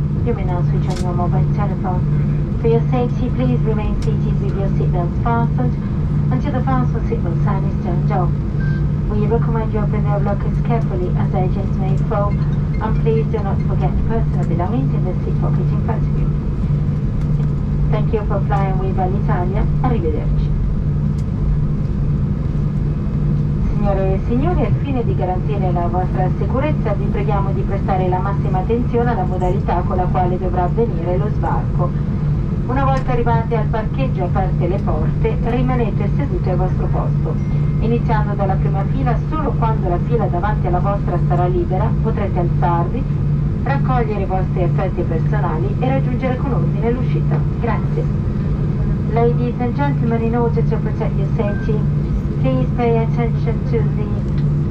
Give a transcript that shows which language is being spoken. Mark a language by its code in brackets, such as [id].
[en] You may now switch on your mobile telephone. For your safety, please remain seated with your seatbelts fastened until the fastened seatbelt sign is turned off. We recommend you open your lockers carefully as agents may fall, and please do not forget personal belongings in the seat pocket in front of you. Thank you for flying with Alitalia. [it] Arrivederci. Signore e signori, al fine di garantire la vostra sicurezza, vi preghiamo di prestare la massima attenzione alla modalità con la quale dovrà avvenire lo sbarco. Una volta arrivati al parcheggio, aperte le porte, rimanete seduti al vostro posto. Iniziando dalla prima fila, solo quando la fila davanti alla vostra sarà libera, potrete alzarvi, raccogliere i vostri effetti personali e raggiungere con ordine l'uscita. Grazie. [en] Ladies and gentlemen, in order to protect your safety, please pay attention to the